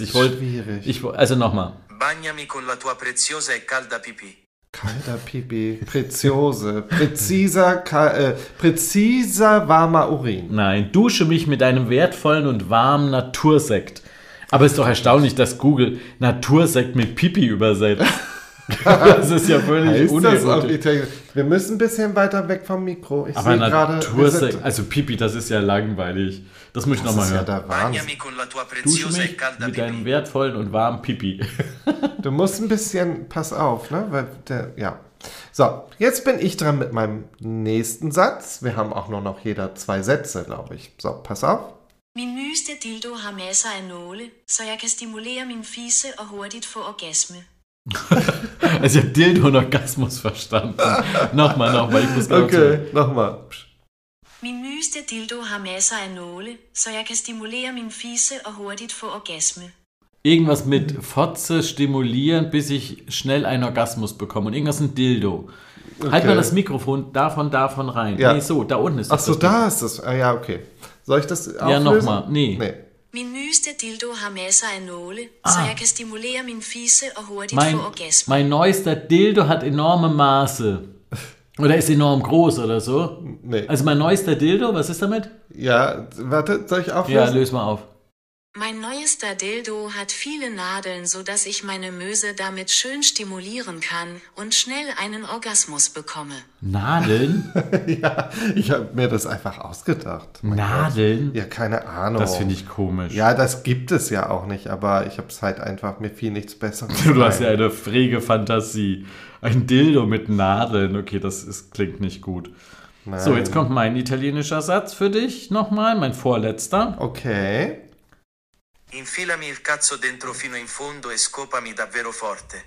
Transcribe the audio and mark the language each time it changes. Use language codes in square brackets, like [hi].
[de] Ich wollt, schwierig. Ich, also nochmal. [it] Bagnami con la tua preziosa e calda pipì. [de] Kalter Pipi, preziose, präziser warmer Urin. Nein, dusche mich mit einem wertvollen und warmen Natursekt. Aber ist doch erstaunlich, dass Google Natursekt mit Pipi übersetzt. Das ist ja völlig unerwartet. Wir müssen ein bisschen weiter weg vom Mikro. Ich aber Natursekt, gerade, also Pipi, das ist ja langweilig. Das muss ich nochmal hören. Das ist ja der Wahnsinn. Dusche mich mit deinem wertvollen und warmen Pipi. Du musst ein bisschen, pass auf, ne? Weil der, ja. So, jetzt bin ich dran mit meinem nächsten Satz. Wir haben auch nur noch jeder zwei Sätze, glaube ich. So, pass auf. Mein neuester Dildo hat Masse an Nole, so ich kann stimulieren mein Fiese und hurtig vor Orgasme. Also, ich habe Dildo und Orgasmus verstanden. Nochmal, ich muss gerade. Okay, nochmal. [da] Min nyeste dildo har masser af nåle, så jeg kan stimulere min fisse og hurtigt få orgasme. [de] Irgendwas mit Fotze stimulieren, bis ich schnell einen Orgasmus bekomme. Und irgendwas ein Dildo. Okay. Halt mal das Mikrofon davon rein. Ja. Nee, so, da unten ist das. Ach so, da ist das. Ah, ja, okay. Soll ich das auflösen? Ja, nochmal. Nee. [da] Min nyeste dildo har masser af nåle, så jeg kan stimulere min fisse og hurtigt få orgasme. [de] Mein neuester dildo hat enorme Maße. Oder ist enorm groß oder so? Nee. Also mein neuester Dildo, was ist damit? Ja, warte, soll ich auflösen? Ja, löse mal auf. Mein neuester Dildo hat viele Nadeln, sodass ich meine Möse damit schön stimulieren kann und schnell einen Orgasmus bekomme. Nadeln? Ja, ich habe mir das einfach ausgedacht. Nadeln? Gott. Ja, keine Ahnung. Das finde ich komisch. Ja, das gibt es ja auch nicht, aber ich habe es halt einfach, mir viel nichts Besseres. Du hast ja eine frege Fantasie. Ein Dildo mit Nadeln, okay, klingt nicht gut. Nein. So, jetzt kommt mein italienischer Satz für dich nochmal, mein vorletzter. Okay. [it] Infilami il cazzo dentro fino in fondo e scopami davvero forte.